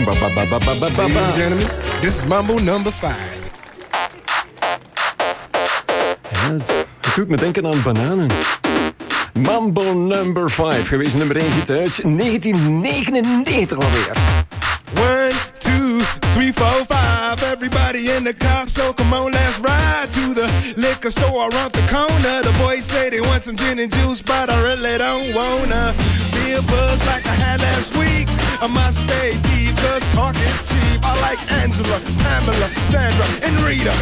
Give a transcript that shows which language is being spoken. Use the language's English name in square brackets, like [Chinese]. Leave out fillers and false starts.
[English] Ladies and gentlemen, this is Mambo number 5. [Dutch] Ja, het doet me denken aan bananen. Mambo number 5, geweest nummer 1 hit uit 1999 alweer. [English] 1, 2, 3, 4, 5. Everybody in the car, so come on, let's ride to the liquor store around the corner. The boys say they want some gin and juice, but I really don't wanna be a buzz like I had last week. I must stay deep, cause talk is cheap. I like Angela, Pamela, Sandra, and Rita.